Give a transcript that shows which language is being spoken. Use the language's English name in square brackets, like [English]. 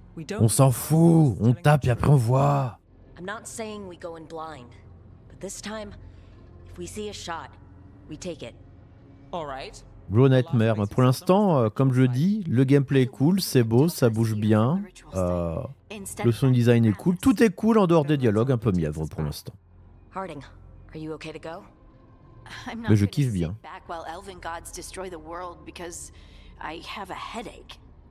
[French] On s'en fout, on tape et après on voit. [English] I'm not saying we go in blind, but this time, if we see a shot, we take it. All right. Blue Nightmare. [French] Pour l'instant, comme je dis, le gameplay est cool, c'est beau, ça bouge bien. Le sound design est cool, tout est cool en dehors des dialogues un peu mièvres pour l'instant. [English] Harding, are you okay to go? [French] Mais je kiffe bien. [English] Elven gods destroy the world because I have a headache.